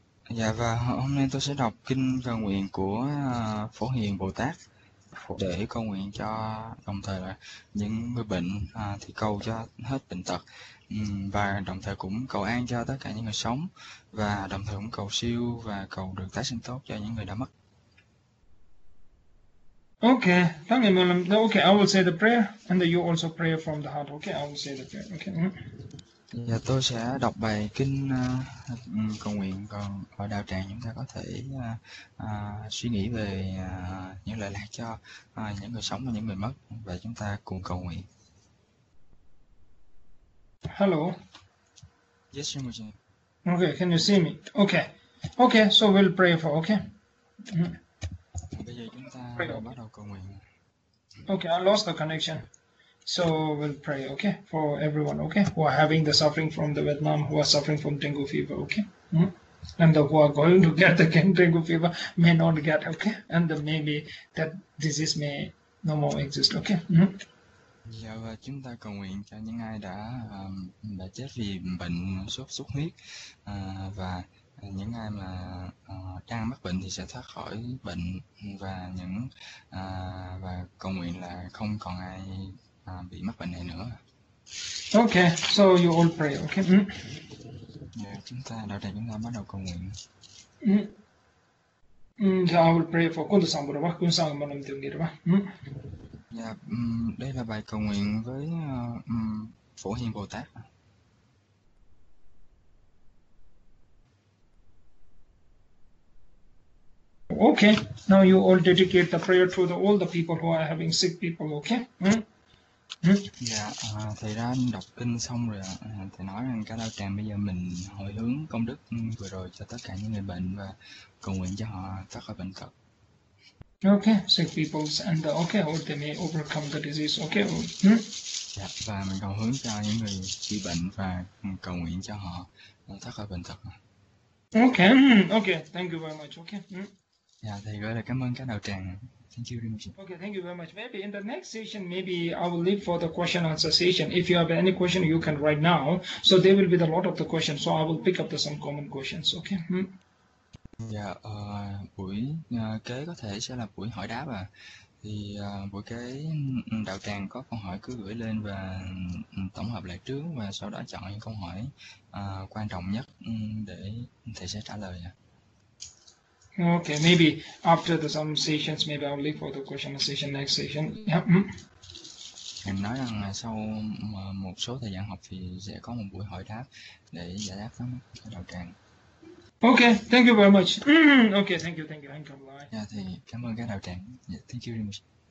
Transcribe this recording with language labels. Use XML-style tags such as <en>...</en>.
<vi>Dạ, và hôm nay tôi sẽ đọc kinh cầu nguyện của Phổ Hiền Bồ Tát để cầu nguyện cho đồng thời là những người bệnh thì cầu cho hết bệnh tật, và đồng thời cũng cầu an cho tất cả những người sống, và đồng thời cũng cầu siêu và cầu được tái sinh tốt cho những người đã mất.</vi> <en>Okay, thank you, Mulam. Okay, I will say the prayer, and you also pray from the heart. Okay, I will say the prayer. Okay.</en> <vi>Và tôi sẽ đọc bài kinh cầu nguyện, còn ở đạo tràng chúng ta có thể suy nghĩ về những lời lạc cho những người sống và những người mất, và chúng ta cùng cầu nguyện.</vi> <en>Hello. Yes, sir. Okay, can you see me? Okay, so we'll pray for, okay?</en> <vi>Bây giờ chúng ta</vi> <en>Pray,</en> <vi>bắt</vi> <en>okay.</en> <vi>đầu cầu nguyện.</vi> <en>Okay, I lost the connection. So we'll pray, okay, for everyone, okay, who are having the suffering from the Vietnam, who are suffering from dengue fever, okay, And the who are going to get the dengue fever may not get, okay, and then maybe that disease may no more exist, okay.</en> <vi>Dạ, và chúng ta cầu nguyện cho những ai đã chết vì bệnh sốt xuất huyết, và những ai mà đang mắc bệnh thì sẽ thoát khỏi bệnh, và những và cầu nguyện là không còn ai bị mắc bệnh này nữa.</vi> <en>Okay, so you all pray, okay?</en> <vi>Dạ, chúng ta đầu tiên chúng ta bắt đầu cầu nguyện.</vi> <en>I will pray for</en> <bo>Kundu Sambo Rava, Kundu Sambo Manam Tiong Gira Rava.</bo> <vi>Dạ, đây là bài cầu nguyện với Phổ Hiền Bồ Tát.</vi> <en>Okay, now you all dedicate the prayer to the, all the people who are having sick people, okay?</en> <vi>Dạ, thầy đã đọc kinh xong rồi ạ. Thầy nói rằng cả đạo tràng bây giờ mình hồi hướng công đức vừa rồi cho tất cả những người bệnh và cầu nguyện cho họ thoát khỏi bệnh tật.</vi> <en>Okay, sick peoples, and okay, or they may overcome the disease. Okay.</en> <vi>Dạ, và mình cầu hướng cho những người bị bệnh và cầu nguyện cho họ thoát khỏi bệnh tật.</vi> <en>Okay. Okay. Thank you very much. Okay.</en> <vi>Dạ, thầy gửi lời cảm ơn các đạo tràng.</vi> <en>Thank you very much. Okay, thank you very much. Maybe in the next session, maybe I will leave for the question answer session. If you have any question, you can write now. So there will be a lot of the questions. So I will pick up the some common questions. Okay.</en> <vi>Dạ, buổi kế có thể sẽ là buổi hỏi đáp à. Thì buổi kế đạo tràng có câu hỏi cứ gửi lên và tổng hợp lại trước và sau đó chọn những câu hỏi quan trọng nhất để thầy sẽ trả lời à.</vi> <en>Okay, maybe after the some sessions, maybe I'll leave for the question session next session.</en> <vi>Thầy nói rằng là sau một số thời gian học thì sẽ có một buổi hỏi đáp để giải đáp các đạo tràng.</vi> <en>Okay, thank you very much. Okay, thank you. I'm coming.</en> <vi>Yeah, thì cảm ơn các đạo tràng. Yeah,</vi> <en>thank you very much.</en>